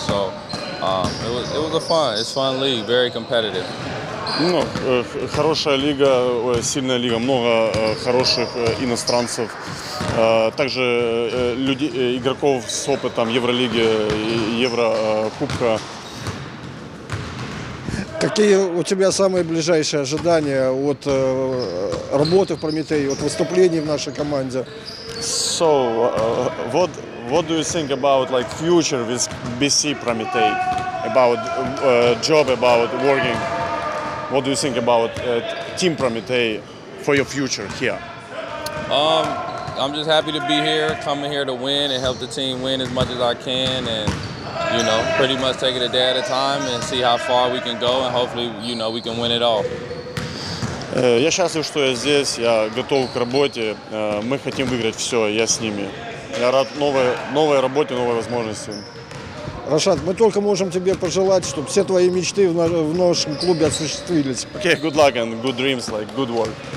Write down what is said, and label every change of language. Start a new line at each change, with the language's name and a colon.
English: So it was a fun league, very competitive.
Russian: Ну, хорошая лига, сильная лига, много хороших иностранцев. Также люди, игроков с опытом Евролиги, Еврокубка. Какие у тебя самые ближайшие ожидания от работы в Прометее, от выступлений в нашей команде?
English: So, what do you think about like future with BC Prometei? About job, about working. What do you think about team Prometei for your future here? I'm just happy to be here, coming here to win and help the team win as much as I can, and you know, pretty much take it a day at a time and see how far we can go, and hopefully, you know, we can win it all.
Russian: Я счастлив, что я здесь. Я готов к работе. Мы хотим выиграть все. Я с ними. Я рад новой работе, новой возможности. Рашад, мы только можем тебе пожелать, чтобы все твои мечты в нашем клубе осуществились.
English: Okay, good luck and good dreams, like good work.